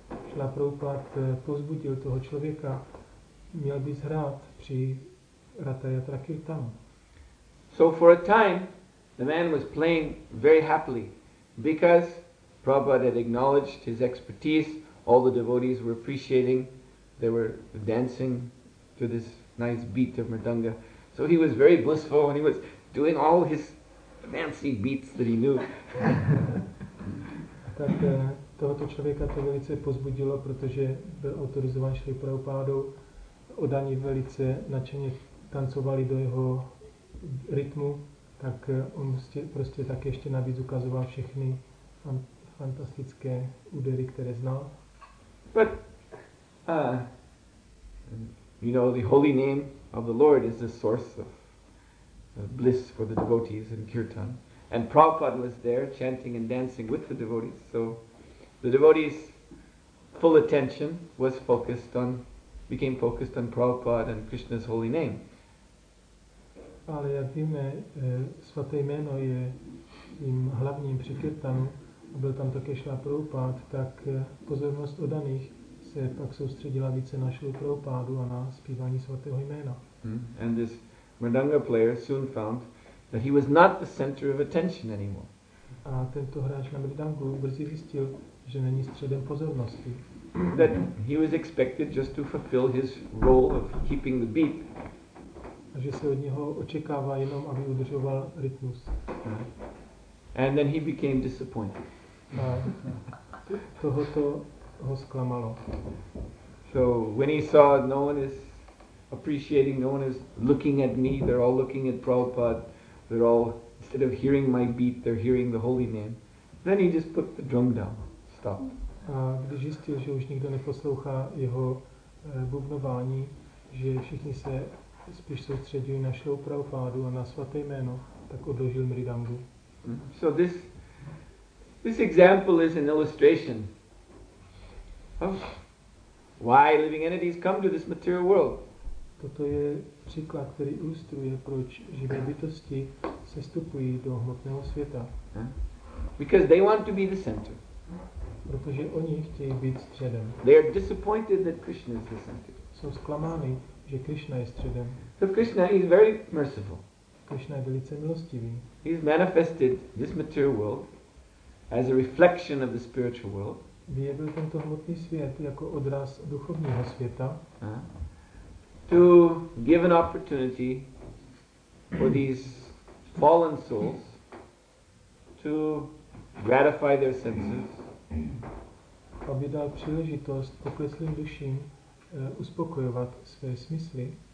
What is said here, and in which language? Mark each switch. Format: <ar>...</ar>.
<cs>Srila Prabhupada pozbudil toho člověka, měl bys hrát při Rathyatra Kirtanu.</cs> <en>So for a time, the man was playing very happily because Prabhupada had acknowledged his expertise. All the devotees were appreciating. They were dancing to this nice beat of mridanga. So he was very blissful and he was doing all his fancy beats that he knew.</en> <cs>Tak tohoto člověka to velice pozbudilo, protože byl autorizován Šrila Prabhupádou. Oddaní velice nadšeně tancovali do jeho rytmu, tak on prostě tak ještě navíc ukazoval všechny fantastické údery, které znal.</cs> <en>But you know, the holy name of the Lord is the source of bliss for the devotees in kirtan, and Prabhupada was there chanting and dancing with the devotees, so the devotees' full attention was focused on Prabhupada and Krishna's holy name.</en> <cs>Ale jak víme, svaté jméno je tím hlavním při kirtanu, a byl tam také Šrila Prabhupáda, tak pozornost oddaných se pak soustředila více na Šrilu Prabhupádu a na zpívání svatého jména.</cs> <en>And this mridanga player soon found that he was not the center of attention anymore.</en> <cs>A tento hráč na mridangu brzy zjistil, že není středem pozornosti.</cs> <en>That he was expected just to fulfill his role of keeping the beat.</en> <cs>A že se od něho očekává jenom, aby udržoval rytmus.</cs> <en>And then he became disappointed.</en> <cs>A tohoto ho zklamalo.</cs> <en>So when he saw no one is appreciating, no one is looking at me, they're all looking at Prabhupada, they're all, instead of hearing my beat, they're hearing the holy name, then he just put the drum down, stopped.</en> <cs>A když zjistil, že už nikdo neposlouchá jeho bubnování, že všichni se spíš soustředují na Šrilu Prabhupádu a na svaté jméno, tak odložil mridangu.</cs> <en>So this example is an illustration of why living entities come to this material world.</en> <cs>Toto je příklad, který ilustruje, proč živé bytosti sestupují do hmotného světa.</cs> <en>Because they want to be the center.</en> <cs>Protože oni chtějí být středem.</cs> <en>They are disappointed that Krishna is the center.</en> <cs>Jsou zklamáni, že Krishna je středem.</cs> <en>So Krishna is very merciful.</en> <cs>Krishna je velice milostivý.</cs> <en>He has manifested this material world as a reflection of the spiritual world.</en> <cs>Vyjevil tento hmotný svět jako odraz duchovního světa.</cs> <en>To give an opportunity for these fallen souls to gratify their senses.</en> <cs>Aby dal příležitost pokleslým duším uspokojovat své smysly.</cs>